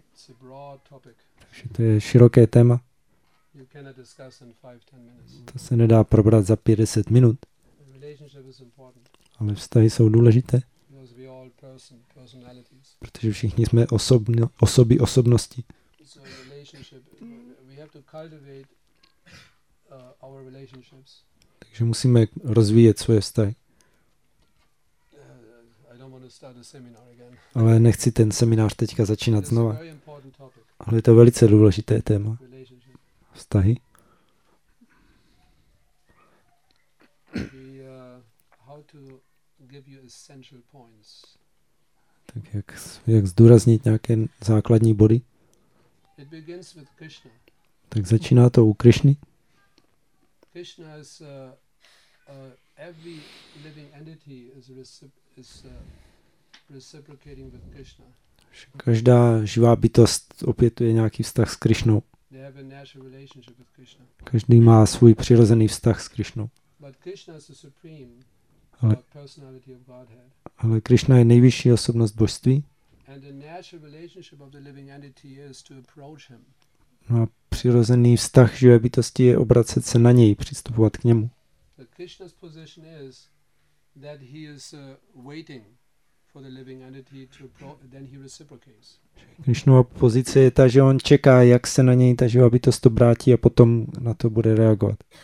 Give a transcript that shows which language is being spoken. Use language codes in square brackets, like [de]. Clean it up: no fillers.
[en] It's a broad topic. [cs] Takže to je široké téma. [en] You cannot discuss in 5-10 minutes. [cs] To se nedá probrat za 5-10 minut. [en] Relationship is important. [cs] Ale vztahy jsou důležité. [en] Because we all personalities. [cs] Protože všichni jsme osoby osobnosti. [en] So relationship, we have to cultivate our relationships. [cs] Takže musíme rozvíjet svoje vztahy. [en] I don't want to start a seminar again. [cs] Ale nechci ten seminář teďka začínat znova. [en] It's a very important topic. [cs] Ale je to velice důležité téma. Vztahy. [en] How to give you essential points. [cs] Tak jak zdůraznit nějaké základní body? [en] It begins with Krishna. [cs] Tak začíná to u Krishny. [en] Krishna is every living entity is reciprocating with Krishna. [cs] Každá živá bytost opětuje nějaký vztah s Krishnou. [en] They have a natural relationship with Krishna. [cs] Každý má svůj přirozený vztah s Krishnou. [en] But Krishna is the supreme personality of Godhead. [cs] Ale Krishna je nejvyšší osobnost božství. [en] And the natural relationship of the living entity is to approach him. [cs] No a přirozený vztah živé bytosti je obracet se na něj, přistupovat k němu. [en] The Krishna's position is that he is waiting for the living entity to approach, then he reciprocates. [cs] Krišnova pozice je ta, že on čeká, jak se na něj ta živá bytost obrátí a potom na to bude reagovat.